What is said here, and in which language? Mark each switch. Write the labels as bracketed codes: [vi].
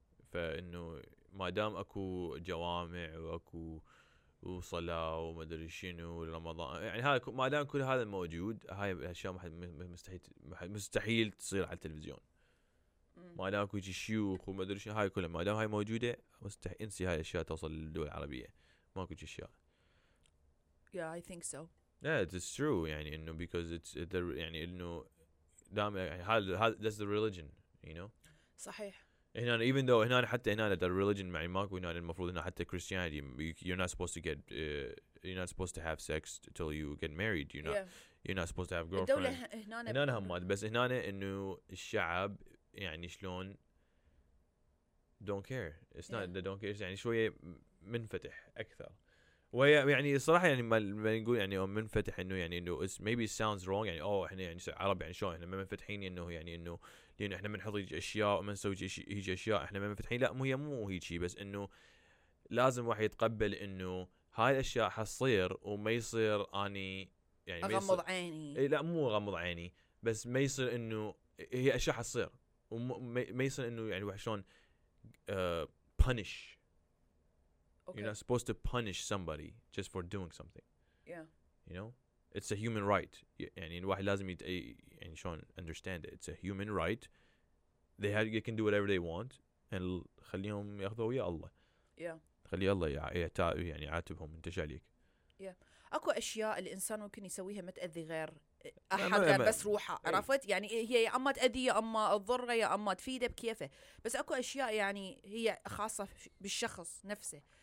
[ar] فانه ما دام اكو جوامع واكو وصلاة وما أدري شنو رمضان يعني هذا ما دام كل هذا موجود هاي الأشياء مستحيل تصير على التلفزيون. ما دام كل شيء شيوخ وما أدري شنو هاي كلها ما دام هاي موجودة مستحيل انسي هاي الأشياء توصل للدول العربية ما كل شيء. [en] Yeah I think so. Yeah it's true [ar] يعني إنه [en] because it's the [ar] يعني إنه دام يعني هذا [en] that's the religion you know. [ar] صحيح. هنا [en] even though [ar] هنا حتى هنا [en] the religion [ar] معي ماكو هنا المفروض هنا حتى [en] Christianity you're not supposed to get you're not supposed to have sex till you get married you know you're not supposed to have girlfriend. [ar] هنا هم بس هنا إنه الشعب يعني شلون [en] don't care it's not they don't care [ar] يعني شوية منفتح أكثر ويا يعني الصراحة يعني ما نقول يعني منفتح إنه يعني إنه [en] it's maybe it sounds wrong [ar] يعني أوه إحنا يعني عرب يعني شو إحنا ما منفتحين إنه يعني إنه لأن إحنا منحط أشياء ومنسوي هيج أشياء إحنا ما منفتحين. لا مو هيج شيء بس إنه لازم واحد يتقبل إنه هاي الأشياء حصير وما يصير أني يعني أغمض عيني. لا مو غمض عيني بس ما يصير إنه هي أشياء حصير وما يصير إنه يعني وحشون punish. [en] Okay. You're not supposed to punish somebody just for doing something. Yeah. You know? It's a human right. [ar] يعني الواحد لازم يعني شلون [en] understand it. It's a human right. They can do whatever they want. [ar] And خليهم ياخذوا ويا الله. [en] Yeah. [ar] خلي الله يعني عاتبهم انت شاليك. [en] Yeah. [ar] اكو اشياء الانسان ممكن يسويها ما تأذي غير احد غير بس روحه عرفت؟ يعني هي يا اما تأذي يا اما تضره يا اما تفيده بكيفه. بس اكو اشياء يعني هي خاصة بالشخص نفسه.